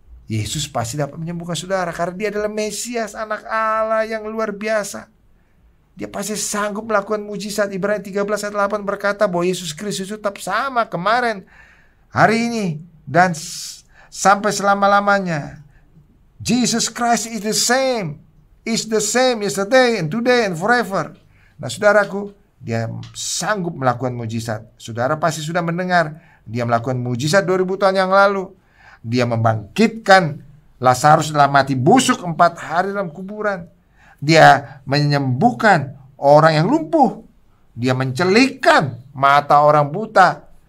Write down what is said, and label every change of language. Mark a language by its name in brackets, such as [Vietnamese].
[Indonesian] Yesus pasti dapat menyembuhkan saudara, karena Dia adalah Mesias, anak Allah yang luar biasa. Dia pasti sanggup melakukan mujizat. Ibrani 13:8 berkata bahwa Yesus Kristus tetap sama kemarin, hari ini, dan sampai selama-lamanya. [English] Jesus Christ is the same, is the same yesterday and today and forever. [Indonesian] Nah saudaraku, Dia sanggup melakukan mujizat. Saudara pasti sudah mendengar Dia melakukan mujizat 2000 tahun yang lalu. Dia membangkitkan Lazarus dalam mati busuk 4 hari dalam kuburan. Dia menyembuhkan orang yang lumpuh. Dia mencelikkan mata orang buta.